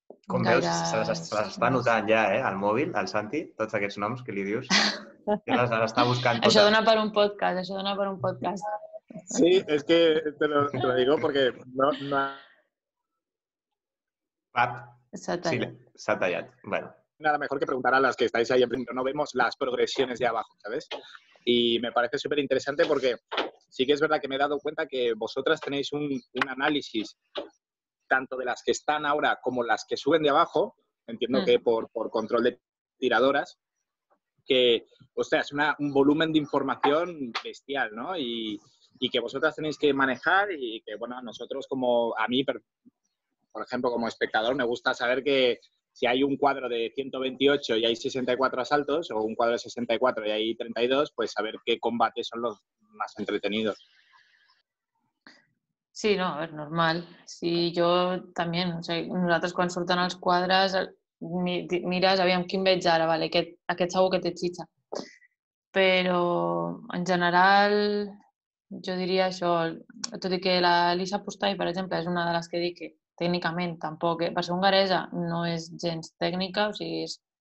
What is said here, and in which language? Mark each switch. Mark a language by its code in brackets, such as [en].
[ca] Com veus, s'està notant ja, al mòbil, al Santi, tots aquests noms que li dius. Ja les està buscant totes. Això dona per un podcast. [es] Sí, [ca] és que [es] te lo digo porque no... [ca] Pap. S'ha tallat. Bueno. [es] Nada mejor que preguntar a las que estáis ahí en primero. No vemos las progresiones de abajo, ¿sabes? Y me parece súper interesante porque sí que es verdad que me he dado cuenta que vosotras tenéis un análisis tanto de las que están ahora como las que suben de abajo, entiendo que por control de tiradoras, que, o sea, es un volumen de información bestial, ¿no? Y que vosotras tenéis que manejar y que, bueno, nosotros como a mí, por ejemplo, como espectador, me gusta saber que si hay un cuadro de 128 y hay 64 asaltos, o un cuadro de 64 y hay 32, pues saber qué combates son los más entretenidos. [ca] Sí, no, a veure, normal. Sí, jo també, o sigui, nosaltres quan surten els quadres, mires, aviam, quin veig ara, vale? aquest segur que té xitxa. Però, en general, jo diria això, tot i que la Lisa Pustai, per exemple, és una de les que dic que tècnicament tampoc, per ser hongaresa, no és gens tècnica, o sigui, és...